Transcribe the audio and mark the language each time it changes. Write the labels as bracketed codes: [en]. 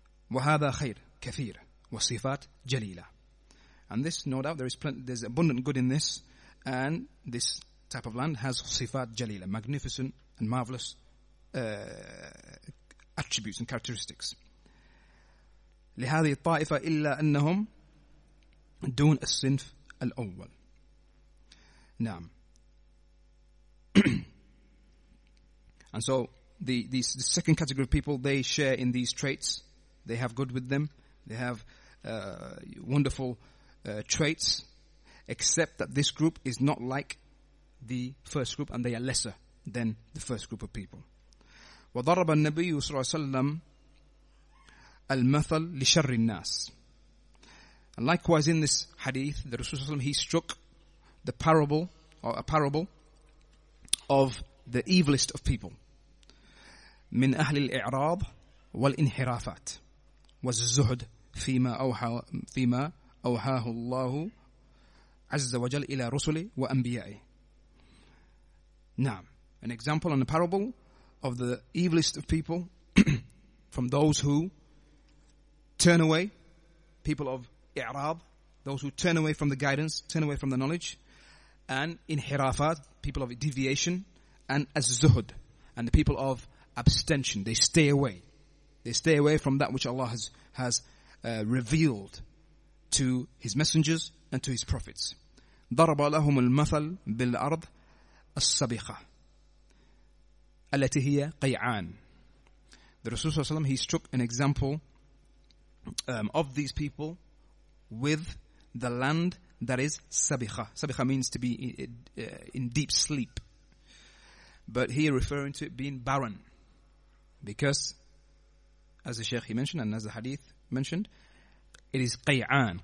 [ar] وهذا خير كثير وصفات جليلة. [en] And this, no doubt, there's abundant good in this, and this type of land has [ar] صفات جليلة, [en] magnificent and marvelous attributes and characteristics. [ar] لهذه الطائفة إلا أنهم دون الصنف الأول. نعم. [en] And so the second category of people, they share in these traits. They have good with them. They have wonderful traits, except that this group is not like the first group, and they are lesser than the first group of people. [ar] وضرب النبي صلى الله عليه وسلم المثل لشر الناس. [en] And likewise, in this hadith, the Rasulullah, he struck the parable, or a parable, of the evilest of people. [ar] من أهل الإعراض والانحرافات. والزهد فيما أوحاه الله عز وجل إلى رسله وأنبيائه. [en] Now, an example and a parable of the evilest of people from those who turn away, people of إعراض, those who turn away from the guidance, turn away from the knowledge, and انحرافات, people of deviation, and الزهد, and the people of abstention, they stay away. They stay away from that which Allah has revealed to His messengers and to His prophets. [ar] ضرب لهم المثل بالأرض السبخة التي هي قيعان. [en] The Rasulullah ﷺ, he struck an example of these people with the land that is سبخة. سبخة means to be in deep sleep. But he referring to it being barren, because as the Shaykh he mentioned, and as the Hadith mentioned, it is قيعان.